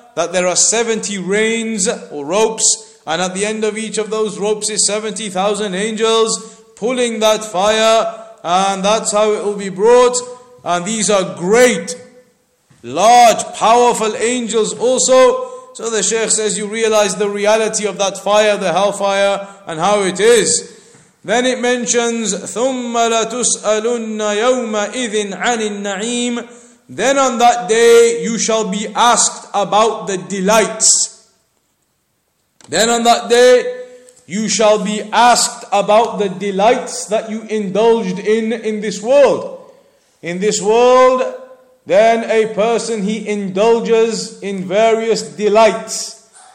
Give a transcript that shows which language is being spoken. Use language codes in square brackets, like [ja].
[en] That there are 70 reins or ropes, and at the end of each of those ropes is 70,000 angels pulling that fire, and that's how it will be brought. And these are great, large, powerful angels also. So the Shaykh says, you realize the reality of that fire, the hellfire, and how it is. Then it mentions, [ar] ثُمَّ لَتُسْأَلُنَّ يَوْمَئِذٍ عَنِ النَّعِيمِ. [en] Then on that day, you shall be asked about the delights. Then on that day, you shall be asked about the delights that you indulged in this world. In this world, then a person, he indulges in various delights.